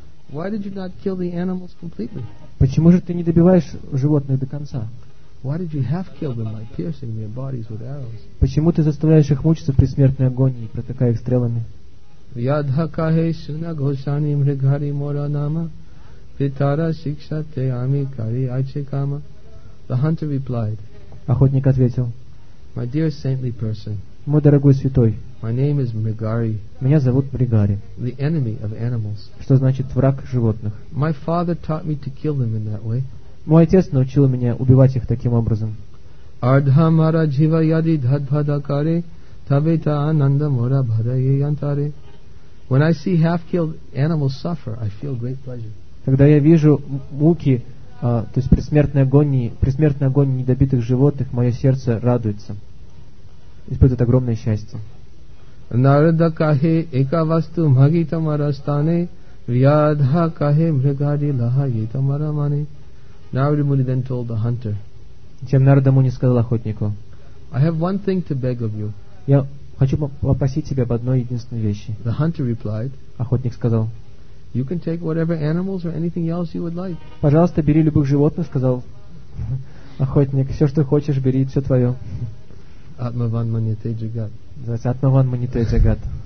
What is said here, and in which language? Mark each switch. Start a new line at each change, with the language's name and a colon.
English: "Why did you not kill the animals completely?
Russian: Почему же ты не добиваешь животных до конца?
English: Why did you half kill them by piercing their bodies with arrows?
Russian: Почему ты заставляешь их мучиться в предсмертной агонии, протыкая их стрелами?"
Sanskrit: Вьядха кахе суна гхошани мригхари мора нама питара сикшате ами кари айче кама.
English: The hunter replied.
Russian: Охотник ответил.
English: My dear saintly person.
Russian: Мой дорогой святой.
English: My name is Мригари.
Russian: Меня зовут Мригари.
English: The enemy of animals.
Russian: Что значит враг животных.
English: My father taught me to kill them in that way.
Russian: Мой отец научил меня убивать их таким образом.
Sanskrit: Ардха мара джива яди дхадбхада каре тавета ананда мора бхадайе янтаре.
English: When I see half-killed animals suffer, I feel great pleasure.
Russian: Когда я вижу муки, то есть предсмертные агонии недобитых животных, мое сердце радуется, испытывает огромное счастье.
Sanskrit: Нарада кахе экавасту магитамарастане вьядха кахе мригади лаха етамарамане.
English: Narada Muni then told the hunter.
Russian: Затем Нарада Муни сказал охотнику.
English: I have one thing to beg of you.
Russian: Я хочу попросить тебя об одной единственной вещи.
English: The hunter replied,
Russian: охотник сказал.
English: You can take whatever animals or anything else you would like.
Russian: Пожалуйста, бери любых животных, сказал охотник. Все, что хочешь, бери, все твое.
Sanskrit: Атмаван манитей джагат.
Russian: Называется
Sanskrit: Атмаван манитей джагат.